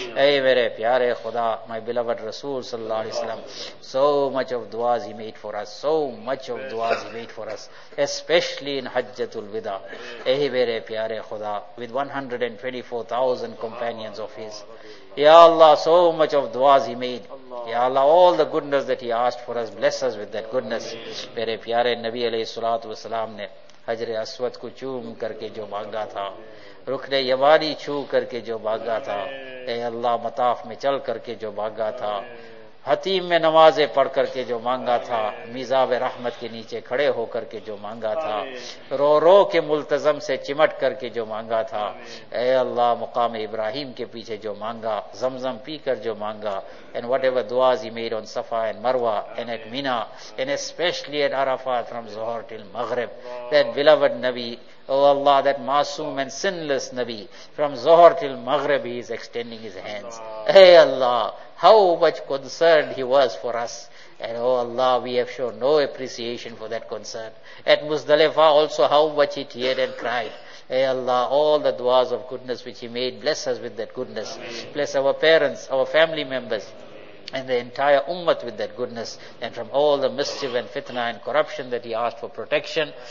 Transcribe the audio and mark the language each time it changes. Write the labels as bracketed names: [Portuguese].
[Urdu] Ay mere pyare khuda, [English] my beloved Rasul sallallahu alaihi wasallam, so much of duas he made for us, so much of duas he made for us, especially in Hajjatul Wida. [Urdu] Ay mere pyare khuda, [English] with 124,000 companions of his. Ya Allah, so much of duas he made. Ya Allah, all the goodness that he asked for us, bless us with that goodness. [Urdu] Mere pyare Nabi alayhi salatu wasalam ne حجرِ اسود کو چوم کر کے جو بھاگا تھا, رکنِ یمانی چھو کر کے جو بھاگا تھا, اے اللہ مطاف میں چل کر کے جو بھاگا تھا, حتیم میں نمازیں پڑھ کر کے جو مانگا تھا, میزاب رحمت کے نیچے کھڑے ہو کر کے جو مانگا تھا, رو رو کے ملتزم سے چمٹ کر کے جو مانگا تھا, اے اللہ مقام ابراہیم کے پیچھے جو مانگا, زمزم پی کر جو مانگا, [English] and whatever دعاز he made on Safa and Marwah and at Mina and especially at Arafat from زہر till مغرب, that beloved نبی, oh Allah, that masoom and sinless Nabi, from Zohar till Maghrib, he is extending his hands. Hey Allah, how much concerned he was for us. And oh Allah, we have shown no appreciation for that concern. At Muzdalifa also, how much he teared and cried. Hey Allah, all the duas of goodness which he made, bless us with that goodness. Bless our parents, our family members, and the entire ummah with that goodness, and from all the mischief and fitna and corruption that he asked for protection.